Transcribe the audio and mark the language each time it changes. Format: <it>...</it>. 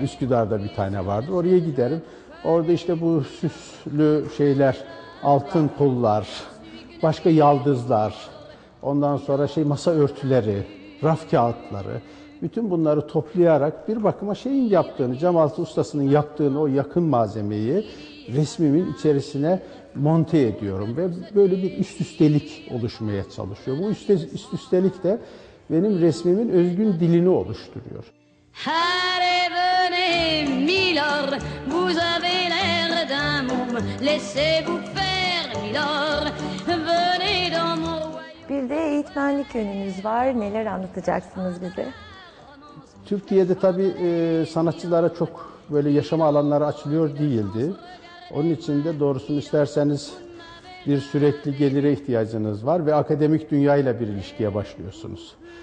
<tr>Üsküdar'da bir tane vardır. Oraya giderim. Orada işte bu süslü şeyler, altın kollar, başka yaldızlar, ondan sonra şey masa örtüleri, raf kağıtları, bütün bunları toplayarak bir bakıma şeyin yaptığını, cam altı ustasının yaptığını o yakın malzemeyi resmimin içerisine monte ediyorum ve böyle bir üst üstelik oluşmaya çalışıyor. Bu üst üstelik de benim resmimin özgün dilini oluşturuyor.</tr> <fr>Her evine milor, vous avez l'air d'un môme, laissez-vous faire milor, venez dans mon royaume.</fr> <tr>Bir de eğitmenlik yönünüz var, neler anlatacaksınız bize? Türkiye'de tabii sanatçılara çok böyle yaşama alanları açılıyor değildi. Onun için de doğrusunu isterseniz bir sürekli gelire ihtiyacınız var ve akademik dünyayla bir ilişkiye başlıyorsunuz.</tr>